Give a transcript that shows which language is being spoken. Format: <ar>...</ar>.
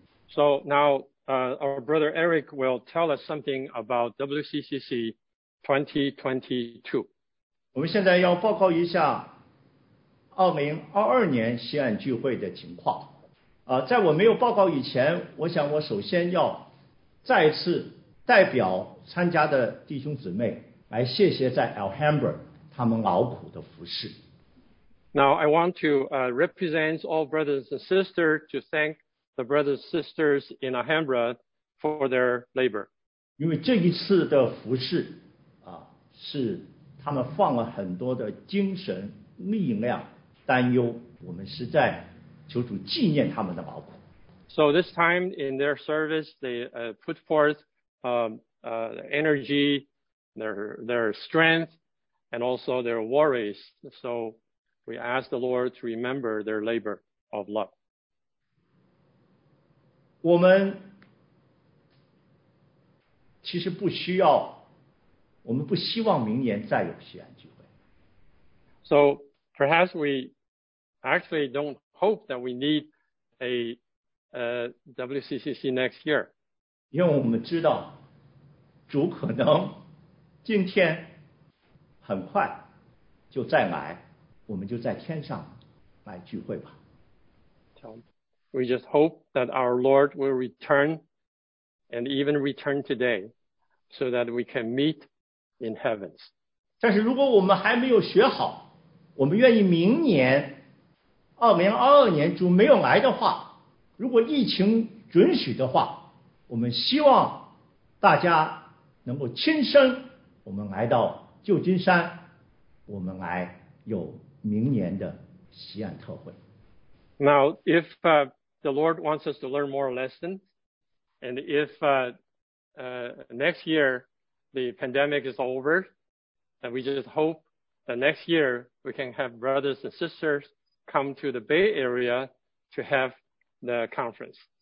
<en>So now, our brother Eric will tell us something about WCCC 2022.</en> <zh>我们现在要报告一下2022年西岸聚会的情况。在我没有报告以前，我想我首先要再次代表参加的弟兄姊妹来谢谢在 Alhambra 他们劳苦的服侍。</zh> <en>Now I want to represent all brothers and sisters to thank the brothers and sisters in Alhambra for their labor.</en> <zh>因为这一次的服侍是他们放了很多的精神力量担忧，我们实在求主纪念他们的劳苦。</zh> <en>So this time in their service, they put forth energy, their strength, and also their worries. So we ask the Lord to remember their labor of love.</en> <zh>我们其实不需要，我们不希望明年再有西岸聚会。</zh> <en>So perhaps we actually don't hope that we need a WCCC next year.</en> <zh>因为我们知道主可能今天很快就再来，我们就在天上来聚会吧。</zh> <en>So, we just hope that our Lord will return and even return today so that we can meetIn heavens.</en> <zh>但是如果我们还没有学好，我们愿意明年2022年主没有来的话，如果疫情准许的话，我们希望大家能够亲身我们来到旧金山，我们来有明年的西岸特会。</zh> <en>Now, if the Lord wants us to learn more lessons, and if next yearThe pandemic is over, and we just hope that next year we can have brothers and sisters come to the Bay Area to have the conference.</en>